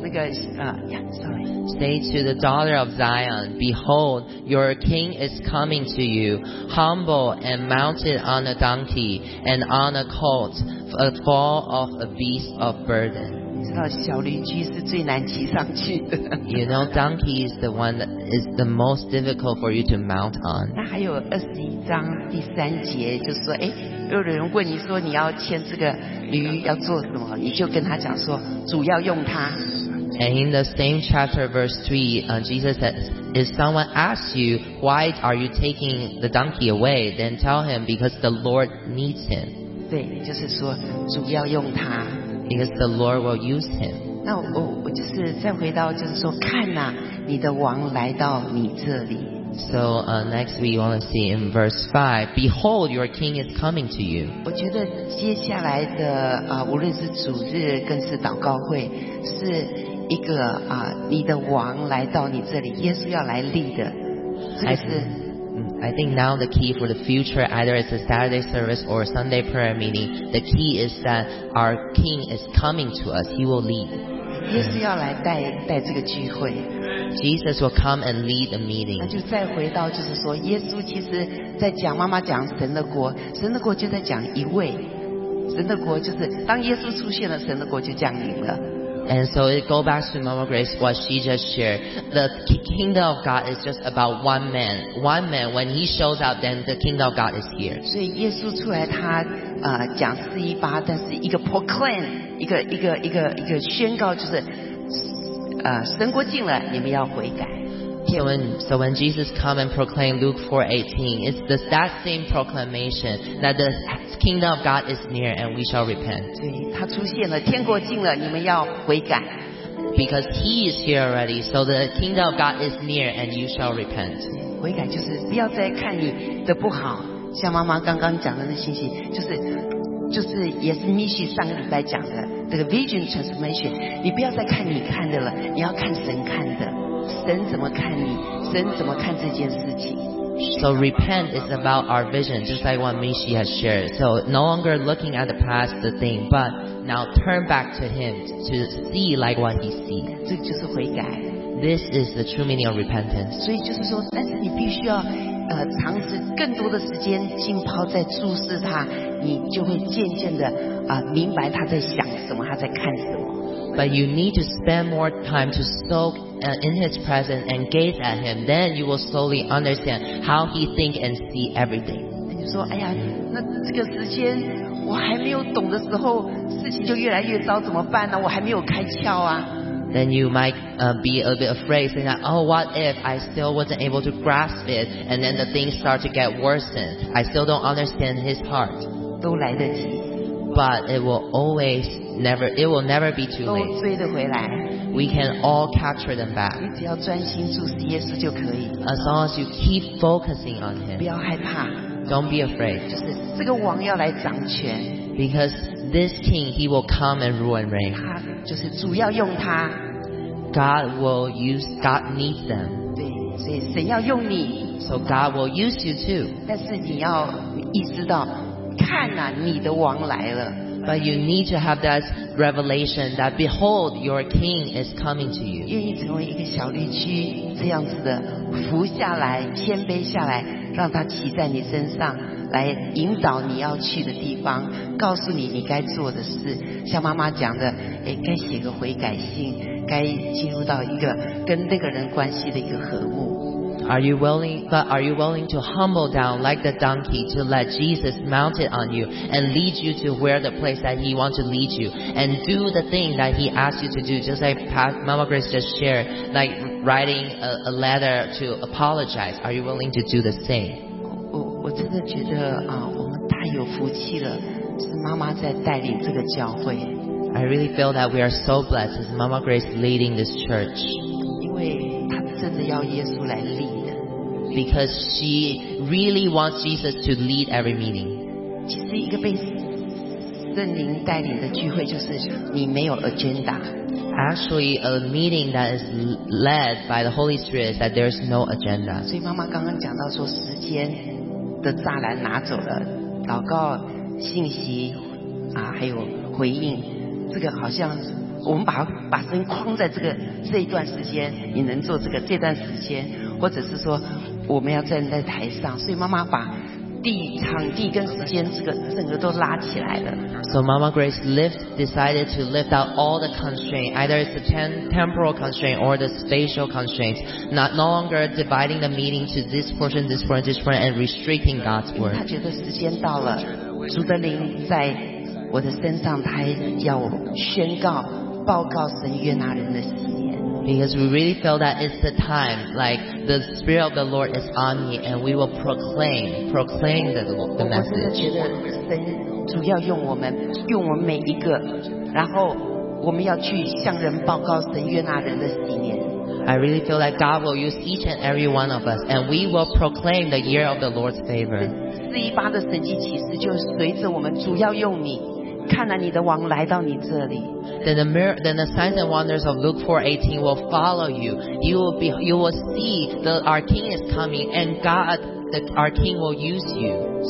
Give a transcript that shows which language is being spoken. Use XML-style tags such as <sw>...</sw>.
<en>Say to the daughter of Zion, Behold, your king is coming to you, humble and mounted on a donkey and on a colt, a foal of a beast of burden. You know, donkey is the one that is the most difficult for you to mount on.</en> <zh>那还有二十一章第三节，就说，哎，有人问你说你要牵这个驴要做什么，你就跟他讲说，主要用它。</zh> <en>And in the same chapter, verse 3, Jesus says, If someone asks you, why are you taking the donkey away? Then tell him, because the Lord needs him.</en> <zh>对，就是说主要用他。</zh> <en>Because the Lord will use him.</en> <zh>那我就是再回到就是说，看哪，你的王来到你这里。</zh> <en>So next we want to see in verse 5, Behold, your king is coming to you.</en> <zh>我觉得接下来的无论是主日更是祷告会，是一个你的王来到你这里，耶稣要来立的。这个、是</zh> <en>I think now the key for the future, either it's a Saturday service or a Sunday prayer meeting, the key is that our King is coming to us. He will lead.</en> <zh>耶稣要来带这个聚会。</zh> <en>Jesus will come and lead the meeting.</en> <zh>那就再回到就是说，耶稣其实在讲妈妈讲神的国，神的国就在讲一位，神的国就是当耶稣出现了，神的国就降临了。</zh> <en>And so it goes back to Mama Grace, what she just shared. The kingdom of God is just about one man. One man, when he shows up, then the kingdom of God is here.</en> <zh>所以耶稣出来他讲418，但是一个 proclaim, 一个宣告就是神国近了，你们要悔改。</zh> <en>So when Jesus come and proclaim Luke 4:18, it's that same proclamation that the kingdom of God is near and we shall repent.</en> <zh>对，他出现了，天国近了，你们要悔改。</zh> <en>Because He is here already, so the kingdom of God is near and you shall repent.</en> <zh>悔改就是不要再看你的不好，像妈妈刚刚讲的那信息，就是也是 Michi 上个礼拜讲的这个</zh> <en>vision transformation，</en> <zh>你不要再看你看的了，你要看神看的。神怎么看你？神怎么看这件事情？</zh> <en>So repent is about our vision, just like what Michi has shared. So no longer looking at the past, the thing, but now turn back to Him to see like what He sees.</en> <zh>这就是悔改。</zh> <en>This is the true meaning of repentance.</en> <zh>所以就是说，但是你必须要尝试更多的时间浸泡在注视他，你就会渐渐的明白他在想什么，他在看什么。</zh> <en>But you need to spend more time to soak in His presence and gaze at Him. Then you will slowly understand how He think and see everything.</en> <zh>你说，哎呀，那这个时间我还没有懂的时候，事情就越来越糟，怎么办呢？我还没有开窍啊。</zh> <en>Then you might be a bit afraid, saying that, oh, what if I still wasn't able to grasp it, and then the things start to get worsened? I still don't understand His heart.</en> <zh>都来得及。</zh> <en>But it will always never, it will never be too late.</en> <zh>都追得回来。</zh> <en>We can all capture them back.</en> <zh>你只要专心注视耶稣就可以。</zh> <en>As long as you keep focusing on Him.</en> <zh>不要害怕。</zh> <en>Don't be afraid.</en> <zh>就是这个王要来掌权。</zh> <en>Because this king, he will come and rule and reign.</en> <zh>他就是主要用他。</zh> <en>God will use, God needs them.</en> <zh>对，所以神要用你。</zh> <en>So God will use you too.</en> <zh>但是你要意识到。看啊，你的王来了。</zh> <en>But you need to have that revelation that behold, your king is coming to you.</en> <zh>愿意成为一个小绿区这样子的，服下来，谦卑下来，让他骑在你身上，来引导你要去的地方，告诉你你该做的事。像妈妈讲的，哎，该写个悔改信，该进入到一个跟那个人关系的一个和睦。</zh> <en>Are you willing? But are you willing to humble down like the donkey to let Jesus mount it on you and lead you to where the place that He wants to lead you and do the thing that He asks you to do? Just like Mama Grace just shared, like writing a letter to apologize. Are you willing to do the same?</en> <zh>我真的觉得啊，我们太有福气了，是妈妈在带领这个教会。</zh> <en>I really feel that we are so blessed as Mama Grace leading this church.</en> <zh>因为真的要耶稣来 lead，</zh> <en>because she really wants Jesus to lead every meeting.</en> <zh>其实一个被圣灵带领的聚会，就是你没有 agenda。</zh> <en>Actually, a meeting that is led by the Holy Spirit is that there is no agenda.</en> <zh>所以妈妈刚刚讲到说，时间的栅栏拿走了，祷告、信息啊，还有回应，这个好像。我们把声音框在这一段时间，你能做这段时间，或者是说我们要站在台上，所以妈妈把地场地跟时间整个都拉起来了。</zh> <en>So Mama Grace decided to lift out all the constraints, either it's the temporal constraint or the spatial constraints, not no longer dividing the meeting to this portion, this portion, this portion, and restricting God's word.</en> <zh>她觉得时间到了，主的灵在我的身上，他要宣告。</zh> <en>Because we really feel that it's the time, like the Spirit of the Lord is on me, and we will proclaim the message.</en> <zh>我真的觉得神主要用我们每一个，然后我们要去向人报告神悦纳人的喜年。</zh> <en>I really feel that God will use each and every one of us, and we will proclaim the year of the Lord's favor.</en> <zh>418的神迹启示就随着我们主要用你。看啊，你的王来到你这里。</zh> <en>Then the signs and wonders of Luke 4:18 will follow you. You will see that our King is coming, and our King will use you.</en>